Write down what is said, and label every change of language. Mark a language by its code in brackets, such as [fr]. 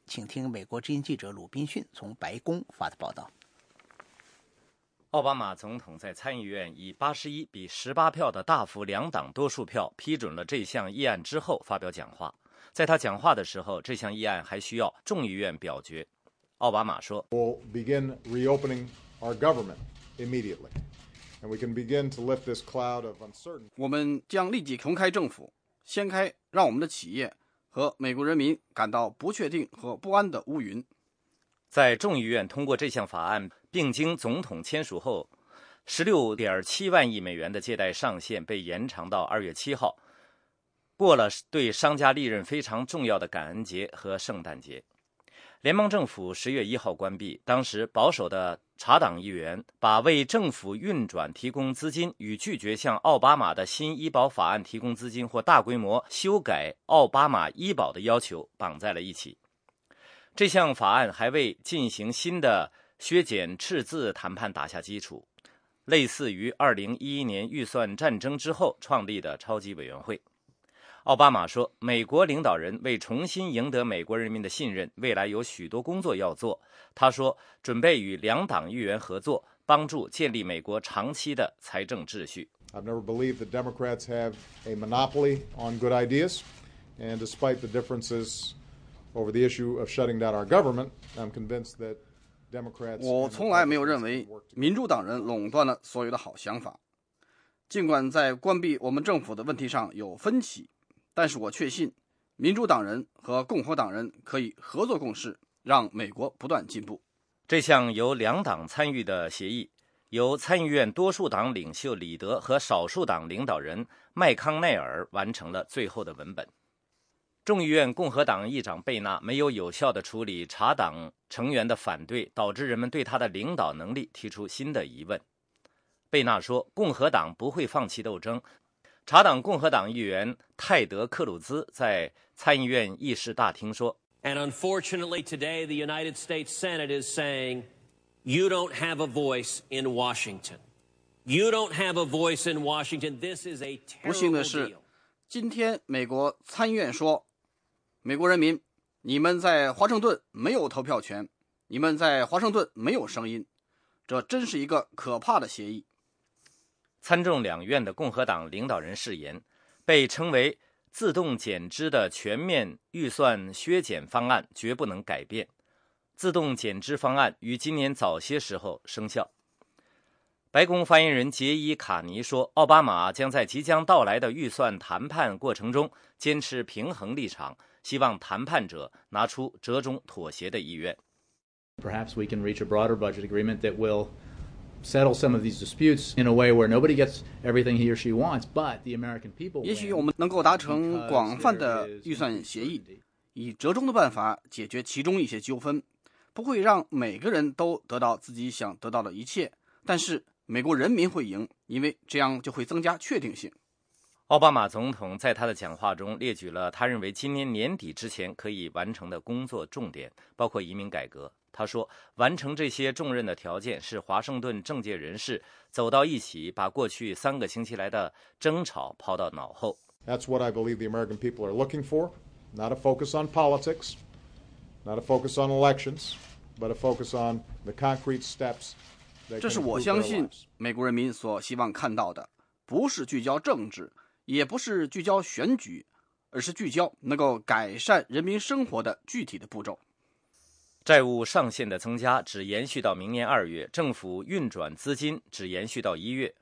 [zh] 请听美国之音记者鲁宾逊从白宫发的报道。奥巴马总统在参议院以81-18票的大幅两党多数票批准了这项议案之后发表讲话。在他讲话的时候，这项议案还需要众议院表决。奥巴马说 [en] We'll begin reopening our government immediately. And we can begin to lift this cloud of uncertainty. [zh] 我们将立即重开政府，掀开让我们的企业和美国人民感到不确定和不安的乌云。在众议院通过这项法案并经总统签署后，$16.7万亿的借贷上限被延长到2月7号，过了对商家利润非常重要的感恩节和圣诞节。联邦政府10月1号关闭，当时保守的查党议员把为政府运转提供资金与拒绝向奥巴马的新医保法案提供资金或大规模修改奥巴马医保的要求绑在了一起。这项法案还为进行新的削减赤字谈判打下基础，类似于2011年预算战争之后创立的超级委员会。奥巴马说，美国领导人为重新赢得美国人民的信任，未来有许多工作要做。他说，准备与两党议员合作，帮助建立美国长期的财政秩序。 [en] I've never believed that Democrats have a monopoly on good ideas, and despite the differences over the issue of shutting down our government, I'm convinced that Democrats. [zh] 我从来没有认为民主党人垄断了所有的好想法，尽管在关闭我们政府的问题上有分歧。但是我确信民主党人和共和党人可以合作共事，让美国不断进步。这项由两党参与的协议由参议院多数党领袖里德和少数党领导人麦康奈尔完成了最后的文本。众议院共和党议长贝纳没有有效地处理查党成员的反对，导致人们对他的领导能力提出新的疑问。贝纳说，共和党不会放弃斗争。查党共和党议员泰德·克鲁兹在参议院议事大厅说 [en] And unfortunately today the United States Senate is saying you don't have a voice in Washington. You don't have a voice in Washington. This is a terrible deal. [zh] 不幸的是今天美国参议院说美国人民你们在华盛顿没有投票权，你们在华盛顿没有声音，这真是一个可怕的协议。参众两院的共和党领导人誓言，被称为自动减支的全面预算削减方案绝不能改变。自动减支方案于今年早些时候生效。白宫发言人杰伊·卡尼说，奥巴马将在即将到来的预算谈判过程中坚持平衡立场，希望谈判者拿出折中妥协的意愿。 [en] Perhaps we can reach a broader budget agreement that will. Settle some of these disputes in a way where nobody gets everything he or she wants, but the American people. [zh] 也许我们能够达成广泛的预算协议，以折中的办法解决其中一些纠纷，不会让每个人都得到自己想得到的一切，但是美国人民会赢，因为这样就会增加确定性。奥巴马总统在他的讲话中列举了他认为今年年底之前可以完成的工作重点，包括移民改革。他说，完成这些重任的条件是华盛顿政界人士走到一起，把过去3个星期来的争吵抛到脑后。 [en] That's what I believe the American people are looking for, not a focus on politics, not a focus on elections, but a focus on the concrete steps. [zh] 这是我相信美国人民所希望看到的，不是聚焦政治，也不是聚焦选举，而是聚焦能够改善人民生活的具体的步骤。债务上限的增加只延续到明年2月，政府运转资金只延续到1月。